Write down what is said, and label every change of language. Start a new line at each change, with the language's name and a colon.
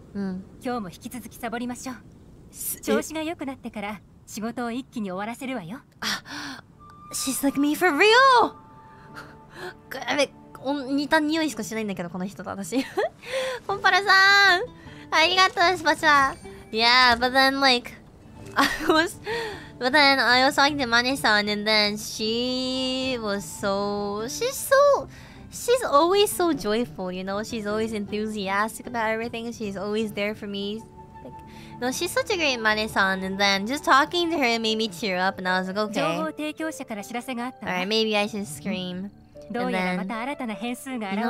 Japanese: 今日も引き続きサボりましょう。調子が良くなってから仕事を一気に終わらせるわよ。
English: She's like me for real!
Japanese: やべ、似た匂いしかしないんだけど、この人と私。コンパラさん、ありがとう、スパチャ。
English: Yeah, but then like... I was talking to Mane-san, and then she was so... She's always so joyful, you know? She's always enthusiastic about everything. She's always there for me. like, no, she's such a great Mane-san. And then just talking to her made me tear up. And I was like, okay.
Japanese: 情報提供者から知らせがあった。
English: Alright, maybe I should scream.
Japanese: どうやらまた新たな変数が現れた